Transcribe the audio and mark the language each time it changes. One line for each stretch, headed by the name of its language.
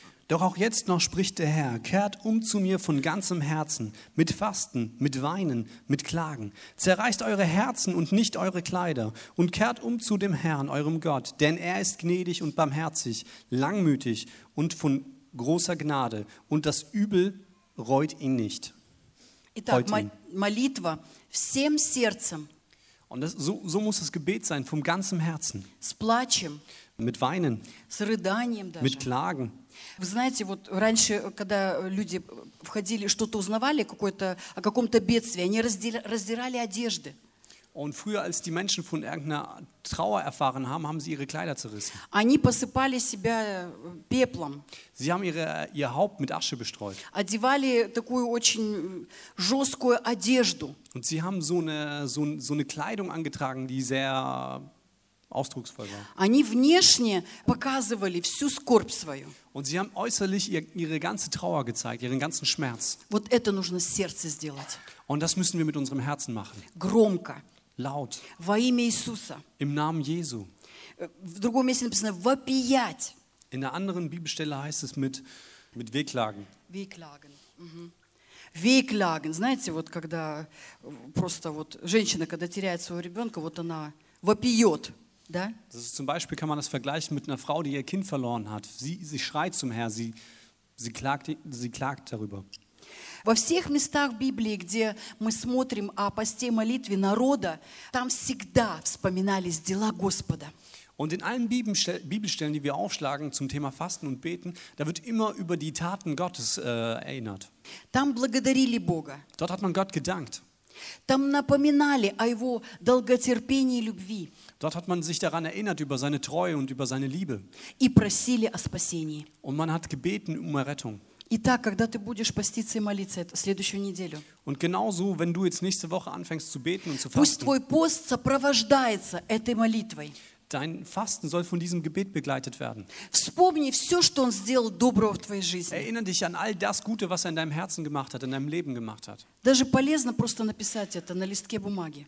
German: Doch auch jetzt noch spricht der Herr, kehrt um zu mir von ganzem Herzen, mit Fasten, mit Weinen, mit Klagen. Zerreißt eure Herzen und nicht eure Kleider und kehrt um zu dem Herrn, eurem Gott, denn er ist gnädig und barmherzig, langmütig und von großer Gnade und das Übel reut ihn nicht.
Russian: Молитва всем сердцем.
German: Und das, so muss das Gebet sein, vom ganzem Herzen.
Russian: С плачем.
German: Mit Weinen.
Russian: С рыданием даже.
German: Mit Klagen.
Russian: Вы знаете, вот раньше, когда люди входили, что-то узнавали какое-то, о каком-то бедствии, они раздирали одежды.
German: Und früher, als die Menschen von irgendeiner Trauer erfahren haben, haben sie ihre Kleider zerrissen.
Russian: Они посыпали себя пеплом.
German: Sie haben ihr Haupt mit Asche bestreut.
Russian: Одевали такую очень жесткую одежду.
German: Und sie haben so eine Kleidung angetragen, die sehr ausdrucksvoll war.
Russian: Они внешне показывали всю скорбь свою.
German: Und sie haben äußerlich ihre ganze Trauer gezeigt, ihren ganzen Schmerz.
Russian: Вот это нужно сердце сделать.
German: Und das müssen wir mit unserem Herzen machen.
Russian: Громко.
German: Laut.
Russian: Во имя Иисуса.
German: Im Namen Jesu.
Russian: В другом месте написано «вопиять».
German: In der anderen Bibelstelle heißt es mit Wehklagen. Wehklagen. Wehklagen.
Russian: Знаете, вот когда просто вот женщина, когда теряет своего ребенка, вот она вопиет. Да?
German: Das ist zum Beispiel, kann man das vergleichen mit einer Frau, die ihr Kind verloren hat. Sie schreit zum Herrn, sie klagt darüber.
Russian: Во всех местах Библии, где мы смотрим о посте молитве народа, там всегда вспоминались дела Господа.
German: Und in allen Bibelstellen, die wir aufschlagen zum Thema Fasten und Beten, da wird immer über die Taten Gottes erinnert.
Russian: Там благодарили Бога.
German: Dort hat man Gott gedankt.
Russian: Там напоминали о его долготерпении и любви.
German: Dort hat man sich daran erinnert über seine Treue und über seine Liebe.
Russian: И просили о спасении.
German: Und man hat gebeten um Errettung.
Russian: Итак, когда ты будешь поститься и молиться следующую неделю.
German: Und genauso, wenn du jetzt nächste Woche anfängst zu beten und zu fasten.
Russian: Пусть твой пост сопровождается этой молитвой.
German: Dein Fasten soll von diesem Gebet begleitet werden.
Russian: Вспомни все, что он сделал доброго в твоей жизни.
German: Erinnere dich an all das Gute, was er in deinem Herzen gemacht hat, in deinem Leben gemacht hat.
Russian: Даже полезно просто написать это на листке бумаги.